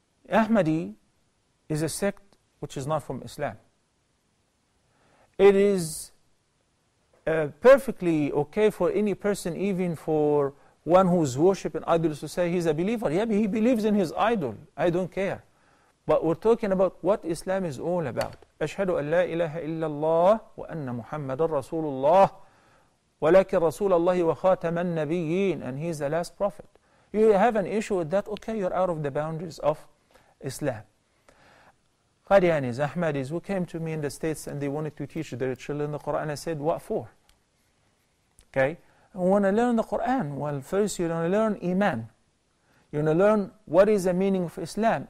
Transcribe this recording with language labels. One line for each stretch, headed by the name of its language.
English: Ahmadi is a sect which is not from Islam. It is perfectly okay for any person, even for one who is worshipping idols, to say he's a believer. Yeah, he believes in his idol. I don't care. But we're talking about what Islam is all about.
Arabic: أشهد أن لا إله إلا الله وأن محمد رسول الله ولكن رسول الله وخاتم النبيين.
English: And he's the last prophet. You have an issue with that, okay, you're out of the boundaries of Islam. Qadianis, Ahmadis, who came to me in the States and they wanted to teach their children the Quran, I said, what for? Okay? I want to learn the Quran. Well, first you're going to learn Iman. You're going to learn what is the meaning of Islam.